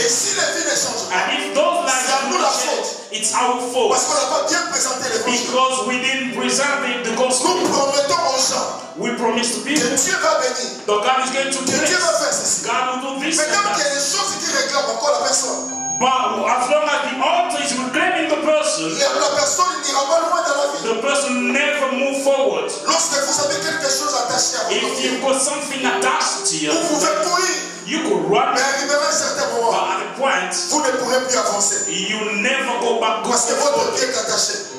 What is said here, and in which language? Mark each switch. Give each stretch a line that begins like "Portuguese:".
French: Et si les vies ne changent pas,
English: and if those lives are not changed, it's our fault.
French: Parce qu'on n'a pas bien présenté les choses.
English: Because we didn't present the gospel.
French: Nous promettons aux gens,
English: we promise to people,
French: que Dieu va bénir,
English: that God is going to bless,
French: que Dieu va faire ceci,
English: God will do this.
French: Mais quand il y a des choses qui réclament encore la personne,
English: but as long as the altar is reclaiming the person,
French: la personne n'ira pas loin dans la vie.
English: The person never move forward.
French: Lorsque vous avez quelque chose attaché à vous,
English: if you've got something attached to you,
French: vous pouvez courir,
English: you could run.
French: Mais arrivera un certain moment,
English: at a point,
French: vous ne pourrez plus avancer.
English: You never go back.
French: Parce que votre pied est attaché.